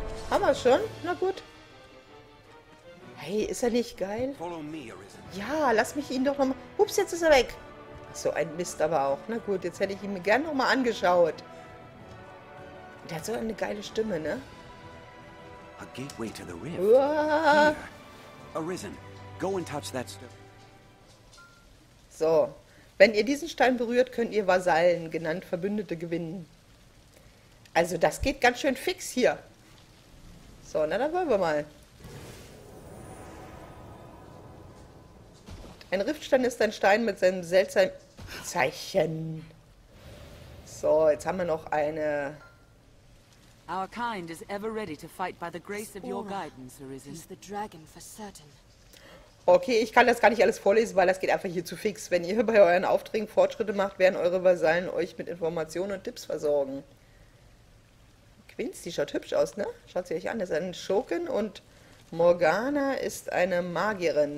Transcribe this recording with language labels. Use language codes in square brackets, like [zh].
[de] Haben wir schon? Na gut. Hey, ist er nicht geil? Ja, lass mich ihn doch noch mal. Ups, jetzt ist er weg. So ein Mist aber auch. Na gut, jetzt hätte ich ihn mir gern noch mal angeschaut. Der hat so eine geile Stimme, ne? [en] A gateway to the rift. Here. Arisen, go and touch that stone. [de] So, wenn ihr diesen Stein berührt, könnt ihr Vasallen, genannt Verbündete, gewinnen. Also das geht ganz schön fix hier. So, na dann wollen wir mal. Ein Riftstein ist ein Stein mit seinem seltsamen Zeichen. So, jetzt haben wir noch eine. [en] Our kind is ever ready to fight by the grace of your guidance, Arisen. He's the dragon for certain. [de] Okay, ich kann das gar nicht alles vorlesen, weil das geht einfach hier zu fix. Wenn ihr bei euren Aufträgen Fortschritte macht, werden eure Vasallen euch mit Informationen und Tipps versorgen. Quincy, die schaut hübsch aus, ne? Schaut sie euch an, das ist ein Schurken und Morgana ist eine Magierin.